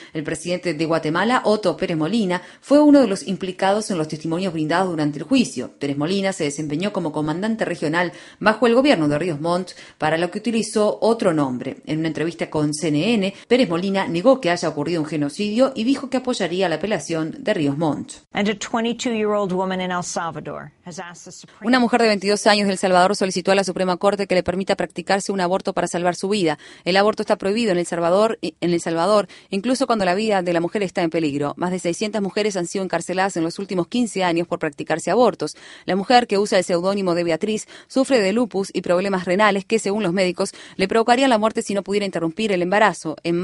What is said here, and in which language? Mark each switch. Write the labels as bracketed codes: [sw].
[es] El presidente de Guatemala, Otto Pérez Molina, fue uno de los implicados en los testimonios brindados durante el juicio. Pérez Molina se desempeñó como comandante regional bajo el gobierno de Ríos Montt, para lo que utilizó otro nombre. En una entrevista con CNN, Pérez Molina negó que haya ocurrido un genocidio y dijo que apoyaría la apelación de Ríos Montt. [en] And a 22-year-old woman in El Salvador. [es] Una mujer de 22 años de El Salvador solicitó a la Suprema Corte que le permita practicarse un aborto para salvar su vida. El aborto está prohibido en El Salvador, incluso cuando la vida de la mujer está en peligro. Más de 600 mujeres han sido encarceladas en los últimos 15 años por practicarse abortos. La mujer, que usa el seudónimo de Beatriz, sufre de lupus y problemas renales que, según los médicos, le provocarían la muerte si no pudiera interrumpir el embarazo.